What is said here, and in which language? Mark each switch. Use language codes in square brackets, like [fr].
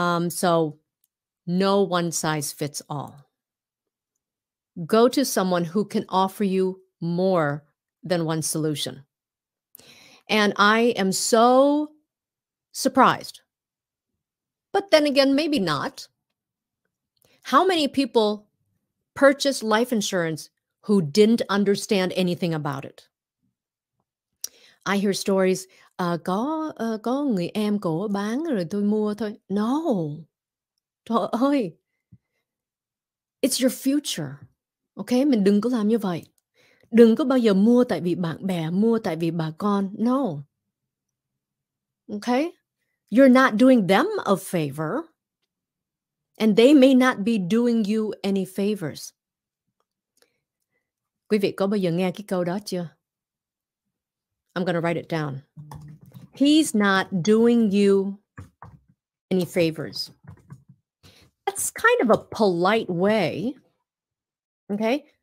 [en] So no one size fits all. Go to someone who can offer you more than one solution. And I am so surprised. But then again, maybe not. How many people purchased life insurance who didn't understand anything about it? I hear stories, [vi] có người em cổ bán rồi tôi mua thôi. [en] No. [vi] Trời ơi. [en] It's your future. Okay? [vi] Mình đừng có làm như vậy. Đừng có bao giờ mua tại vì bạn bè, mua tại vì bà con. [en] No. Okay? You're not doing them a favor. And they may not be doing you any favors. [vi] Quý vị có bao giờ nghe cái câu đó chưa? [en] I'm going to write it down. He's not doing you any favors. That's kind of a polite way. Okay?